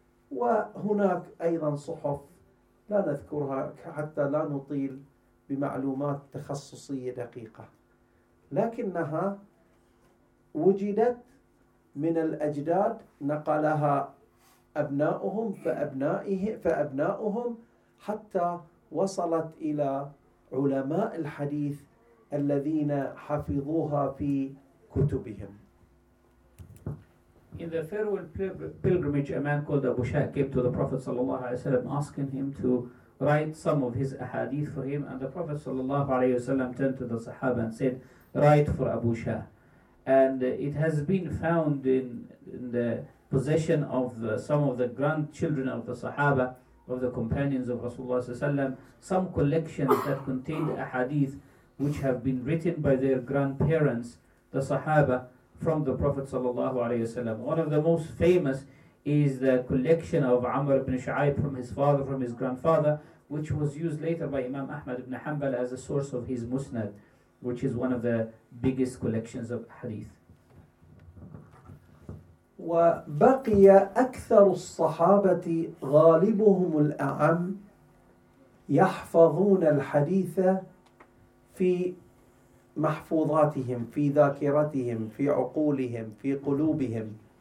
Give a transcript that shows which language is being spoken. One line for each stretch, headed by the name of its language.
Arabic: وهناك أيضا صحف لا نذكرها حتى لا نطيل بمعلومات تخصصية دقيقة، لكنها وجدت من الأجداد، نقلها أبناؤهم فأبناؤهم حتى وصلت إلى علماء الحديث الذين حفظوها في كتبهم.
English: In the farewell pilgrimage, a man called Abu Shah came to the Prophet sallallahu alaihi wasallam, asking him to write some of his ahadith for him. And the Prophet sallallahu alaihi wasallam turned to the Sahaba and said, "Write for Abu Shah." And it has been found in the possession of some of the grandchildren of the Sahaba, of the companions of Rasulullah sallallahu alaihi wasallam, some collections that contained ahadith which have been written by their grandparents, the Sahaba, from the Prophet sallallahu alaihi wasallam. One of the most famous is the collection of Amr ibn Shu'ayb from his father, from his grandfather, which was used later by Imam Ahmad ibn Hanbal as a source of his Musnad, which is one of the biggest collections of hadith.
Arabic: وبقي أكثر الصحابة غالبهم الأعم يحفظون الحديث في محفوظاتهم، في ذاكرتهم، في عقولهم، في قلوبهم.